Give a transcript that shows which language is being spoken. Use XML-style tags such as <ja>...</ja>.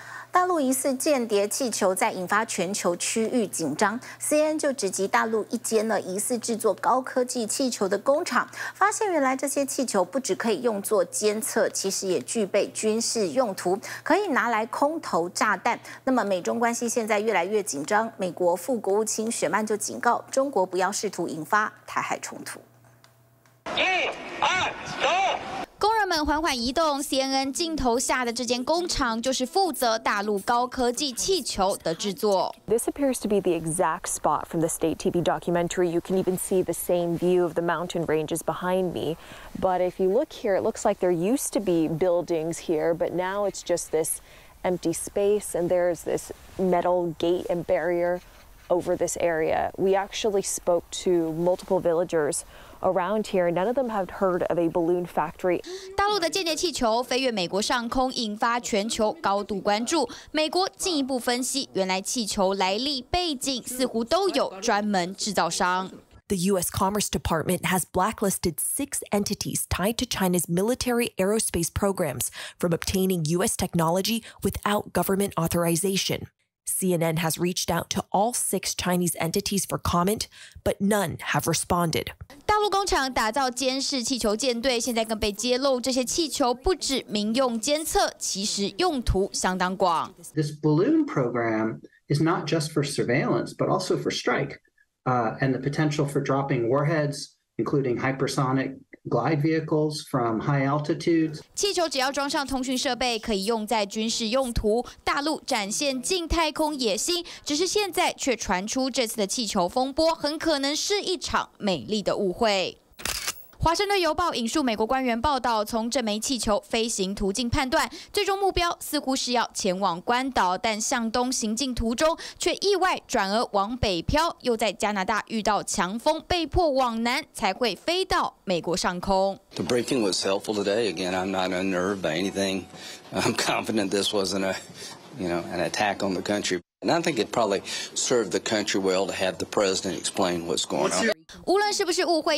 <zh>大陆疑似间谍气球在引发全球区域紧张，CNN 就直击大陆一间呢疑似制作高科技气球的工厂，发现原来这些气球不只可以用作监测，其实也具备军事用途，可以拿来空投炸弹。那么美中关系现在越来越紧张，美国副国务卿雪曼就警告中国不要试图引发台海冲突。一、二、走。工人们缓缓移动 ，CNN 镜头下的这间工厂就是负责大陆高科技气球的制作。</zh> <en>This appears to be the exact spot from the state TV documentary. You can even see the same view of the mountain ranges behind me. But if you look here, it looks like there used to be buildings here, but now it's just this empty space, and there's this metal gate and barrier over this area. We actually spoke to multiple villagers around here. None of them have heard of a balloon factory.</en> <zh>大陆的间谍气球飞越美国上空，引发全球高度关注。美国进一步分析，原来气球来历、背景似乎都有专门制造商。</zh> <en>The U.S. Commerce Department has blacklisted 6 entities tied to China's military aerospace programs from obtaining U.S. technology without government authorization. CNN has reached out to all 6 Chinese entities for comment, but none have responded.</en> <zh>大陆工厂打造监视气球舰队，现在更被揭露，这些气球不止民用监测，其实用途相当广。</zh> <en>This balloon program is not just for surveillance, but also for strike, and the potential for dropping warheads, including hypersonic glide vehicles from high altitudes.</en> <zh>气球只要装上通讯设备，可以用在军事用途。大陆展现近太空野心，只是现在却传出这次的气球风波很可能是一场美丽的误会。华盛顿邮报引述美国官员报道，从这枚气球飞行途径判断，最终目标似乎是要前往关岛，但向东行进途中却意外转而往北漂，又在加拿大遇到强风，被迫往南才会飞到美国上空。</zh> <en>The breaking was helpful today. Again, I'm not unnerved by anything. I'm confident this wasn't a, you know, an attack on the country. And I think it probably served the country well to have the president explain what's going on.</en>